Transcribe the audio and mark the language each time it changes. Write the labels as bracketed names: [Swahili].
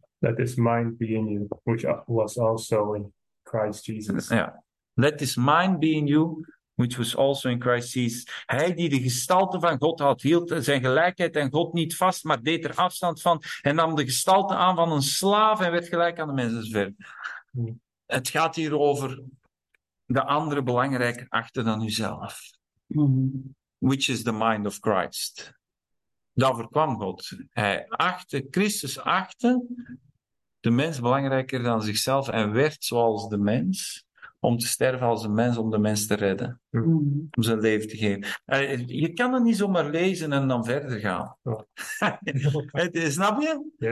[English] Let this mind be in you, which was also in Christ Jesus. [Dutch] Ja. [English] Let this mind be in you, which was also in Christ Jesus. [Dutch] Hij die de gestalte van God had, hield zijn gelijkheid aan God niet vast, maar deed er afstand van en nam de gestalte aan van een slaaf en werd gelijk aan de mensen. Ver. Het gaat hier over de andere belangrijker achter dan uzelf. [English] Which is the mind of Christ. [Dutch] Daarvoor kwam God. Christus achtte de mens belangrijker dan zichzelf en werd zoals de mens om te sterven als een mens, om de mens te redden. Om zijn leven te geven. Je kan het niet zomaar lezen en dan verder gaan. Snap je?